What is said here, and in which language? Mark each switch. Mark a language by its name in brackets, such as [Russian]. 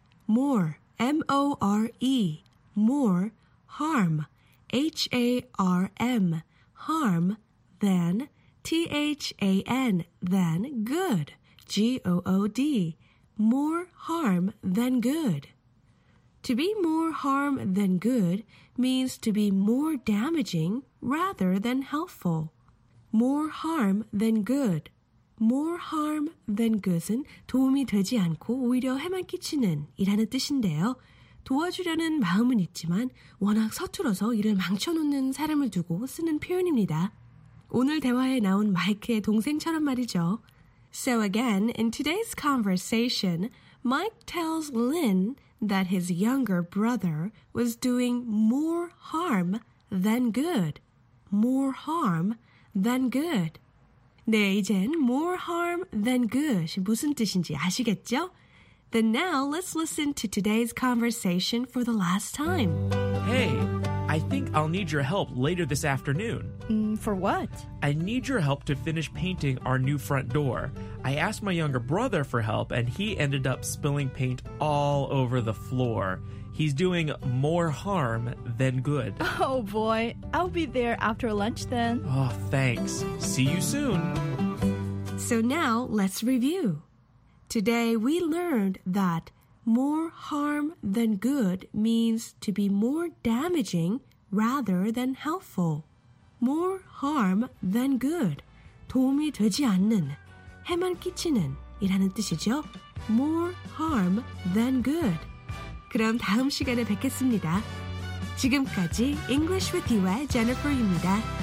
[English] More, M-O-R-E, more harm, H-A-R-M, harm than, T-H-A-N, than good, G-O-O-D, more harm than good. To be more harm than good means to be more damaging rather than helpful. More harm than good. More harm than good [Korean] 은 도움이 되지 않고 오히려 해만 끼치는 이라는 뜻인데요. 도와주려는 마음은 있지만 워낙 서툴어서 일을 망쳐놓는 사람을 두고 쓰는 표현입니다. 오늘 대화에 나온 마이크의 동생처럼 말이죠. [English] So again, in today's conversation, Mike tells Lynn that his younger brother was doing more harm than good. More harm than good. [Korean] 네, 이젠 [English] more harm than good [Korean] 이 무슨 뜻인지 아시겠죠? [English] Then now, let's listen to today's conversation for the last time. Hey, I think I'll need your help later this afternoon. For what? I need your help to finish painting our new front door. I asked my younger brother for help, and he ended up spilling paint all over the floor. He's doing more harm than good. Oh, boy. I'll be there after lunch then. Oh, thanks. See you soon. So now, let's review. Today, we learned that more harm than good means to be more damaging rather than helpful. More harm than good. [Korean] 도움이 되지 않는, 해만 끼치는 이라는 뜻이죠. [English] More harm than good. [Korean] 그럼 다음 시간에 뵙겠습니다. 지금까지 English with You의 Jennifer입니다.